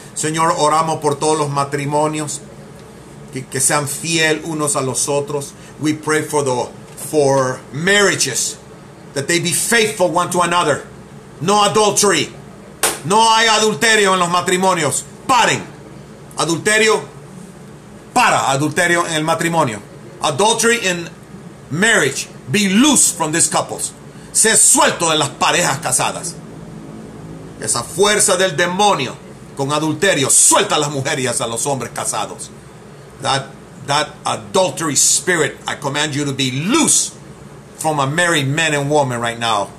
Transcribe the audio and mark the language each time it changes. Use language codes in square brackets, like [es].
[es] Señor, oramos por todos los matrimonios que sean fiel unos a los otros. [en] We pray for marriages that they be faithful one to another. No adultery. [es] No hay adulterio en los matrimonios. Paren. Adulterio. Para adulterio en el matrimonio. [en] Adultery in marriage. Be loose from these couples. [es] Sé suelto de las parejas casadas. Esa fuerza del demonio con adulterio. Suelta a las mujeres y a los hombres casados. [en] That adultery spirit, I command you to be loose from a married man and woman right now.